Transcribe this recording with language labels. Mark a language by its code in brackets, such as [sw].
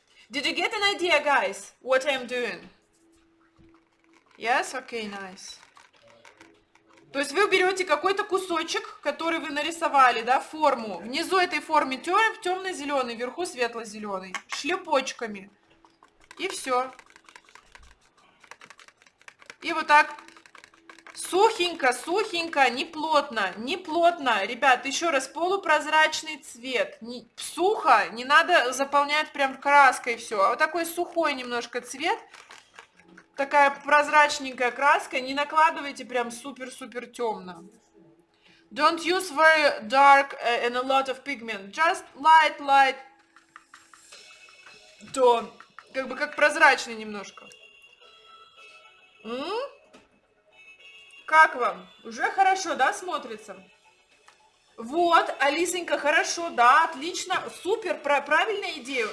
[en] Did you get an idea, guys, what I'm doing? Yes? Okay, nice. [ru] То есть вы берете какой-то кусочек, который вы нарисовали, да, форму. Внизу этой формы темно-зеленый, вверху светло-зеленый. Шлепочками. И все. И вот так сухенько, сухенько, неплотно, неплотно. Ребят, еще раз, полупрозрачный цвет. Сухо, не надо заполнять прям краской все. А вот такой сухой немножко цвет, такая прозрачненькая краска, не накладывайте прям супер-супер темно. [en] Don't use very dark and a lot of pigment. Just light, light tone. [ru] Как бы как прозрачный немножко. Как вам? Уже хорошо, да, смотрится? Вот, Алисенька, хорошо, да, отлично, супер, правильная идея.